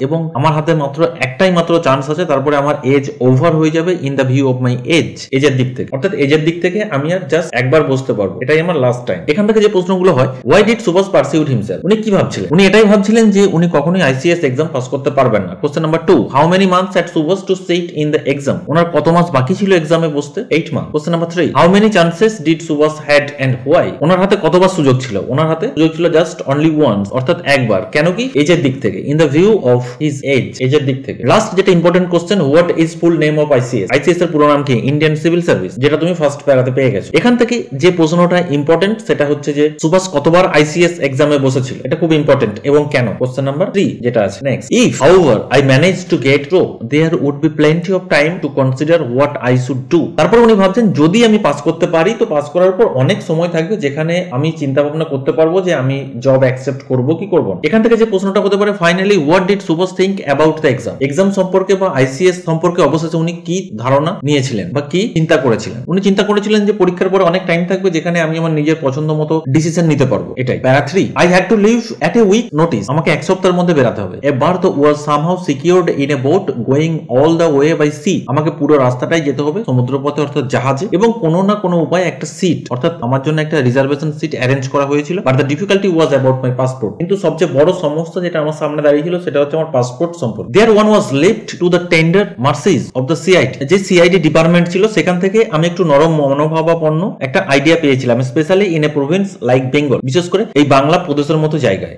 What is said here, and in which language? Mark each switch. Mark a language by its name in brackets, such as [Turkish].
[Bangla] এবং আমার হাতে মাত্র একটাই মাত্র চান্স আছে তারপরে আমার এজ ওভার হয়ে যাবে [English] in the view of my age. [Bangla] এজের দিক থেকে অর্থাৎ এজের দিক থেকে আমি আর জাস্ট একবার বসতে পারবো এটাই আমার লাস্ট টাইম. এখান থেকে যে প্রশ্নগুলো হয় [English] why did Subhash pursued himself? [Bangla] উনি কি ভাবছিলেন? উনি এটাই ভাবছিলেন যে উনি কখনোই ICS exam পাস করতে পারবেন না. [English] Question number 2 how many months had Subhash to sit in the exam? [Bangla] ওনার কত মাস বাকি ছিল এক্সামে বসতে? 8 মাস. [English] Question number 3 how many chances did Subhash had and why? [Bangla] ওনার হাতে কতবার সুযোগ ছিল? ওনার হাতে সুযোগ ছিল জাস্ট only once অর্থাৎ একবার. কেন কি? এজের দিক থেকে. [English] In the view of his age. [Bangla] এজের দিক থেকে. [English] Last যেটা important question what is full name of ICS? [Bangla] ICS এর পুরো নাম কি? Indian Civil Service. যেটা তুমি ফার্স্ট প্যারাতে পেয়ে গেছো. এখান থেকে যে প্রশ্নটা ইম্পর্টেন্ট সেটা হচ্ছে যে সুভাষ কতবার ICS এক্সামে বসেছিল? এটা খুব ইম্পর্টেন্ট এবং কেন? Question number 3 যেটা আছে. [English] Next if however I managed to get through there would be plenty of time to consider what I should do. [Bangla] তারপর উনি ভাবছেন যদি আমি পাস করতে পারি তো পাস করার পর অনেক সময় থাকবে যেখানে আমি চিন্তা ভাবনা করতে পারবো যে আমি জব অ্যাকসেপ্ট করব কি করব না. এখান থেকে যে প্রশ্নটা হতে পারে finally [English] what did Subhash think about the exam? [Bangla] Exam সম্পর্কে বা ICS সম্পর্কে অবশেষে উনি কি ধারণা নিয়েছিলেন বা কি চিন্তা করেছিলেন? উনি চিন্তা করেছিলেন যে পরীক্ষার পর অনেক টাইম থাকবে যেখানে আমি আমার নিজের পছন্দ মতো ডিসিশন নিতে পারবো এটাই. [English] Para 3 I had to leave at a week notice. [Bangla] আমাকে এক সপ্তাহের মধ্যে বেরাতে হবে. [English] A berth was somehow secured in a boat going all the way by sea. [Bangla] আমাকে পুরো রাস্তাটাই যেতে হবে সমুদ্রপথে অর্থাৎ জাহাজে এবং কোনো না কোনো উপায় একটা সিট অর্থাৎ আমার জন্য একটা রিজার্ভেশন সিট অ্যারেঞ্জ করা হয়েছিল. [English] But the difficulty was about my passport. [Bangla] কিন্তু সবচেয়ে বড় সমস্যা যেটা আমার সামনে দাঁড়িয়েছিল সেটা হচ্ছে আমার পাসপোর্ট সম্পর্কে. [English] There one was left to the tender mercies of the CID. [Bangla] যে CID ডিপার্টমেন্ট ছিল সেখান থেকে আমি একটু নরম মনোভাবাপন্ন একটা আইডিয়া পেয়েছিলাম [English] specially in a province like Bengal [Bangla] বিশেষ করে এই বাংলা প্রদেশের মতো জায়গায়.